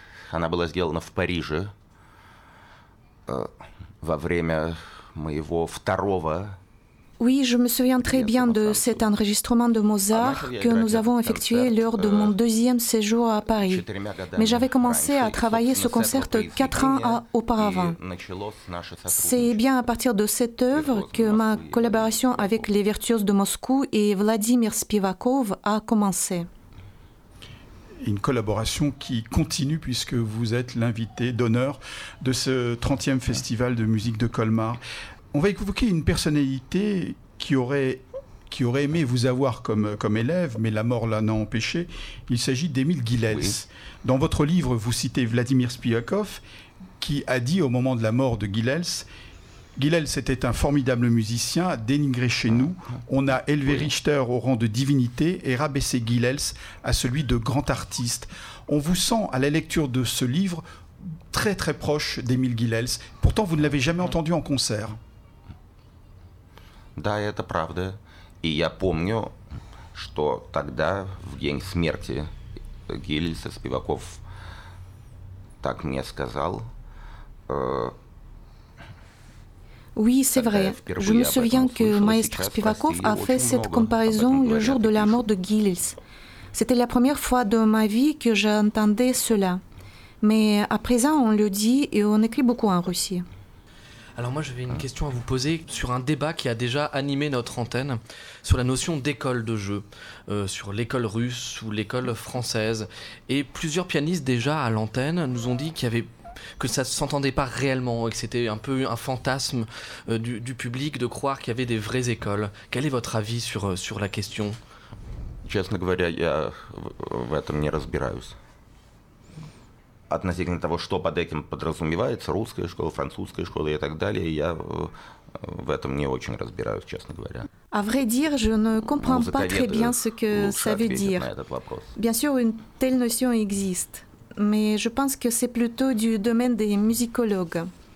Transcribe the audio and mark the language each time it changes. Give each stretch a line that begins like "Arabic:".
Russian: Она была сделана в Париже во время моего второго.
French: Oui, je me souviens très bien de cet enregistrement de Mozart que nous avons effectué lors de mon deuxième séjour à Paris. Mais j'avais commencé à travailler ce concert 4 ans auparavant. C'est bien à partir de cette œuvre que ma collaboration avec les Virtuoses de Moscou et Vladimir Spivakov a commencé. Une collaboration qui continue puisque vous êtes l'invité d'honneur de ce 30e festival de musique de Colmar. On va évoquer une personnalité qui aurait aimé vous avoir comme élève, mais la mort l'en a empêché. Il s'agit d'Émile Guilels. Oui. Dans votre livre, vous citez Vladimir Spivakov qui a dit au moment de la mort de Guilels: Guilels était un formidable musicien, dénigré chez nous. On a élevé Richter au rang de divinité et rabaissé Guilels à celui de grand artiste. On vous sent, à la lecture de ce livre, très très proche d'Émile Guilels. Pourtant, vous ne l'avez jamais entendu en concert.
Russian: Да, это правда. И я помню, что тогда, в день смерти Гильса, Спиваков так мне сказал.
French: Oui, c'est vrai. Je me souviens que Maestro Spivakov a fait cette comparaison le jour de la mort de Guilels. C'était la première fois de ma vie que j'entendais cela. Mais à présent, on le dit et on écrit beaucoup en Russie. Alors moi, j'avais une question à vous poser sur un débat qui a déjà animé notre antenne, sur la notion d'école de jeu, sur l'école russe ou l'école française. Et plusieurs pianistes déjà à l'antenne nous ont dit qu'il y avait... que ça ne s'entendait pas réellement et que c'était un peu un fantasme du public de croire qu'il y avait des vraies écoles. Quel est votre avis sur la question ?
Russian: Честно говоря, я в этом не разбираюсь. Относительно того, что под этим подразумевается, русская школа, французская школа и так далее, я в этом не очень разбираюсь, честно говоря.
French: À vrai dire, je ne comprends pas très bien ce que ça veut dire. Bien sûr, une telle notion existe. Mais je pense que c'est plutôt du domaine des musicologues.